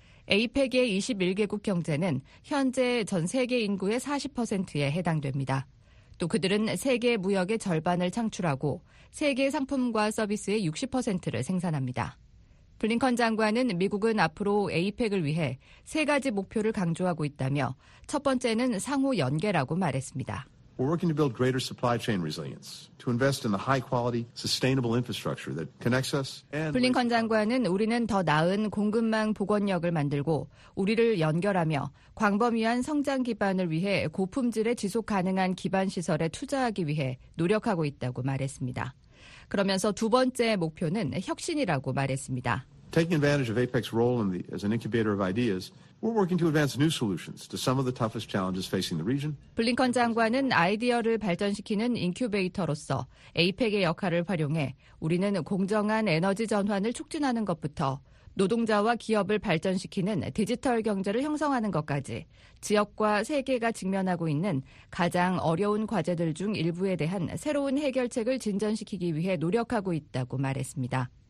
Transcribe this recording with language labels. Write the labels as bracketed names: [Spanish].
[Korean] APEC의 21개국 경제는 현재 전 세계 인구의 40%에 해당됩니다. 또 그들은 세계 무역의 절반을 창출하고 세계 상품과 서비스의 60%를 생산합니다. 블링컨 장관은 미국은 앞으로 APEC을 위해 세 가지 목표를 강조하고 있다며 첫 번째는 상호 연계라고 말했습니다. [English] We're working to build greater supply chain resilience, to invest in the high-quality, sustainable infrastructure that connects us. [Korean] 블링컨 장관은 우리는 더 나은 공급망 복원력을 만들고 우리를 연결하며 광범위한 성장 기반을 위해 고품질의 지속 가능한 기반 시설에 투자하기 위해 노력하고 있다고 말했습니다. 그러면서 두 번째 목표는 혁신이라고 말했습니다. [English] Taking advantage of APEC's role in the, as an incubator of ideas, we're working to advance new solutions to some of the toughest challenges facing the region. [Korean] 블링컨 장관은 아이디어를 발전시키는 인큐베이터로서 APEC의 역할을 활용해 우리는 공정한 에너지 전환을 촉진하는 것부터 노동자와 기업을 발전시키는 디지털 경제를 형성하는 것까지 지역과 세계가 직면하고 있는 가장 어려운 과제들 중 일부에 대한 새로운 해결책을 진전시키기 위해 노력하고 있다고 말했습니다.